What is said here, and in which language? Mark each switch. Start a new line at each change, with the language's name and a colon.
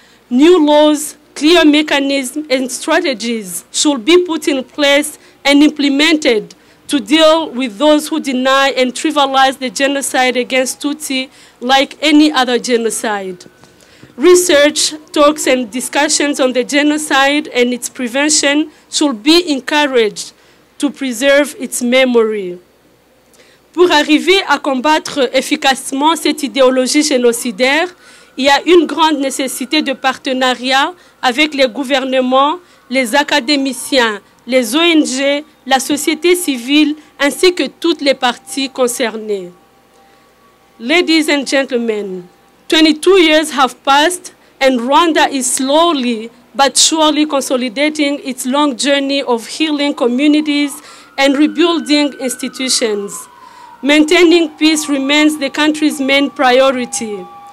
English: New laws, clear mechanisms, and strategies should be put in place and implemented to deal with those who deny and trivialize the genocide against Tutsi like any other genocide. Research, talks, and discussions on the genocide and its prevention should be encouraged to preserve its memory.
French: Pour arriver à combattre efficacement cette idéologie génocidaire, il y a une grande nécessité de partenariat avec les gouvernements, les académiciens, les ONG, la société civile, ainsi que toutes les parties concernées.
English: Ladies and gentlemen, 22 years have passed and Rwanda is slowly but surely consolidating its long journey of healing communities and rebuilding institutions. Maintaining peace remains the country's main priority.